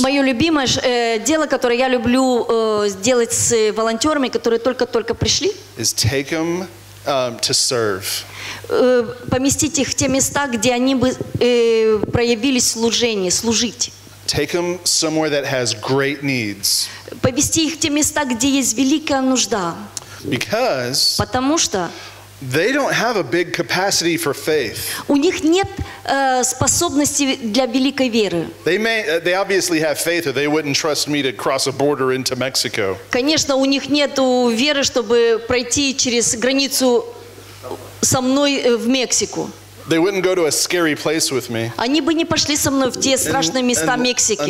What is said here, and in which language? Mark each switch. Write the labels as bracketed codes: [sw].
[ru] Моё любимое дело, которое я люблю делать с волонтёрами, которые только-только пришли. [en] Is take them to serve. [ru] Поместить их в те места, где они бы проявили служение, служить. [en] Take them somewhere that has great needs. [ru] Повести их в те места, где есть великая нужда. [en] Because. [ru] Потому что. [en] They don't have a big capacity for faith. [ru] У них нет способности для великой веры. [en] They obviously have faith, or they wouldn't trust me to cross a border into Mexico. [ru] Конечно, у них нету веры, чтобы пройти через границу со мной в Мексику. [en] They wouldn't go to a scary place with me. [ru] Они бы не пошли со мной в те страшные места Мексики.